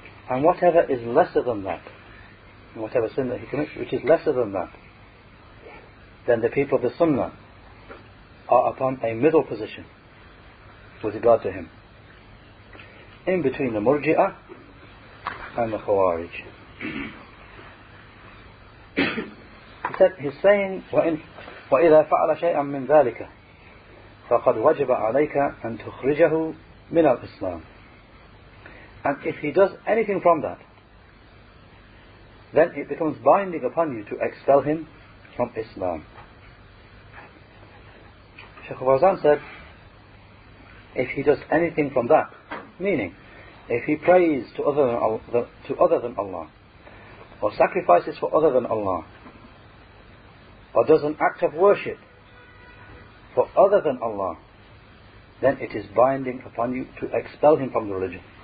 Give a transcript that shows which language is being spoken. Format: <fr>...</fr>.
<en>And whatever is lesser than that, whatever sin that he commits, which is lesser than that, then the people of the Sunnah are upon a middle position with regard to him, in between the Murji'ah and the Khawarij. He's saying,</en> <ar>وَإِذَا فَعَلَ شَيْئًا مِّن ذَلِكَ فَقَدْ وَجِبَ عَلَيْكَ أَن تُخْرِجَهُ مِنَ الْإِسْلَامِ.</ar> <en>And if he does anything from that, then it becomes binding upon you to expel him from Islam. Sheikh Fawzan said, if he does anything from that, meaning, if he prays to other than Allah, or sacrifices for other than Allah, or does an act of worship for other than Allah, then it is binding upon you to expel him from the religion.</en>